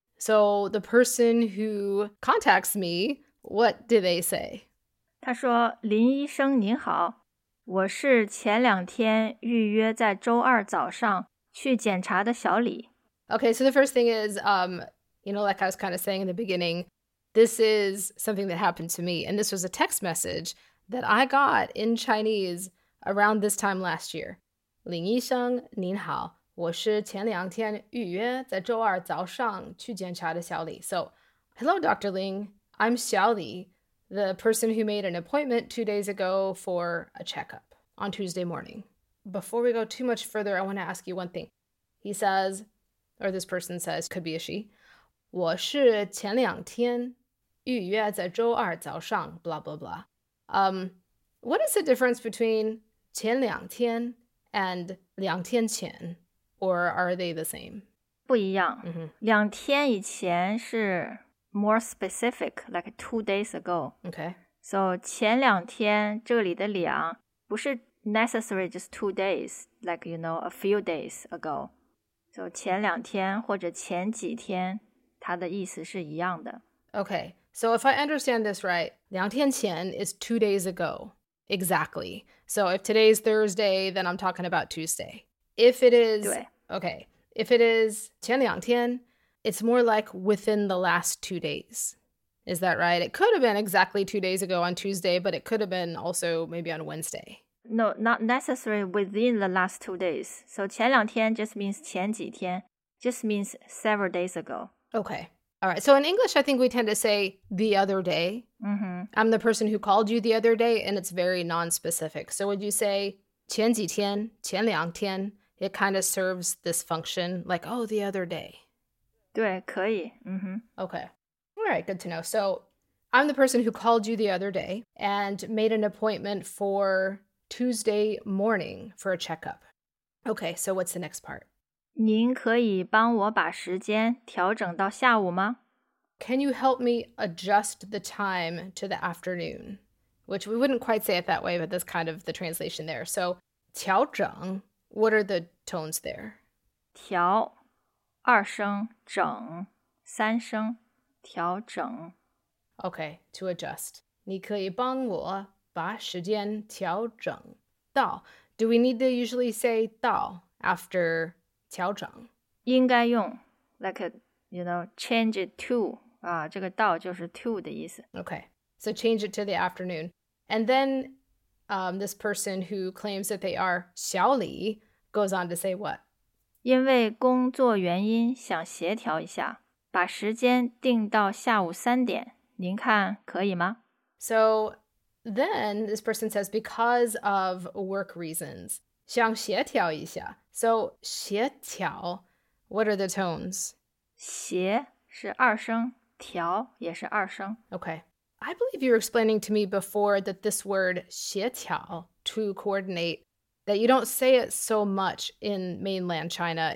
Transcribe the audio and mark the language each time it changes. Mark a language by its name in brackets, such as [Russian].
[English] So the person who contacts me, what do they say? [Chinese] 他说，林医生您好，我是前两天预约在周二早上去检查的小李。 [English] Okay, so the first thing is, you know, like I was kind of saying in the beginning, this is something that happened to me. And this was a text message that I got in Chinese around this time last year. [Chinese] 林医生您好。我是前两天预约在周二早上去检查的小李。 [English] So, hello, Dr. Ling. I'm Xiao Li, the person who made an appointment 2 days ago for a checkup on Tuesday morning. Before we go too much further, I want to ask you one thing. He says, or this person says, could be a she. [Chinese] 我是前两天预约在周二早上, blah, blah, blah. [English] What is the difference between 前两天 and 两天前? Or are they the same? [Chinese] 不一样。Mm-hmm. 两天以前是 [English] more specific, like 2 days ago. Okay. So [Chinese] 前两天这里的两不是 [English] necessary just 2 days, like, you know, a few days ago. [Chinese] So 前两天或者前几天它的意思是一样的。 [English] Okay. So if I understand this right, 两天前 is 2 days ago. Exactly. So if today is Thursday, then I'm talking about Tuesday. If it is, okay, if it is 前两天, it's more like within the last 2 days. Is that right? It could have been exactly 2 days ago on Tuesday, but it could have been also maybe on Wednesday. No, not necessarily within the last 2 days. So 前两天 just means 前几天, just means several days ago. Okay. All right. So in English, I think we tend to say the other day. Mm-hmm. I'm the person who called you the other day, and it's very non-specific. So would you say... [Chinese] 前几天,前两天, [English] it kind of serves this function, like, oh, the other day. [Chinese] 对,可以。Mm-hmm. [English] Okay. All right, good to know. So, I'm the person who called you the other day and made an appointment for Tuesday morning for a checkup. Okay, so what's the next part? [Chinese] 您可以帮我把时间调整到下午吗? [English] Can you help me adjust the time to the afternoon? Which we wouldn't quite say it that way, but that's kind of the translation there. So, 调整, what are the tones there? [Chinese] 调, 二声, 整, 三声, 调整. [English] Okay, to adjust. [Chinese] 你可以帮我把时间调整到. [English] Do we need to usually say 到 after 调整? [Chinese] 应该用, [English] like, a, you know, change it to. [Chinese] 啊，这个到就是 to 的意思. [English] Okay. So change it to the afternoon. And then this person who claims that they are Xiao Li goes on to say what? [Chinese] 因为工作原因想协调一下,把时间定到下午三点,您看可以吗? [English] So then this person says because of work reasons, [Chinese] 想协调一下. [English] So 协调, what are the tones? [Chinese] 协是二声,调也是二声. [English] Okay. I believe you were explaining to me before that this word 协调, to coordinate, that you don't say it so much in mainland China.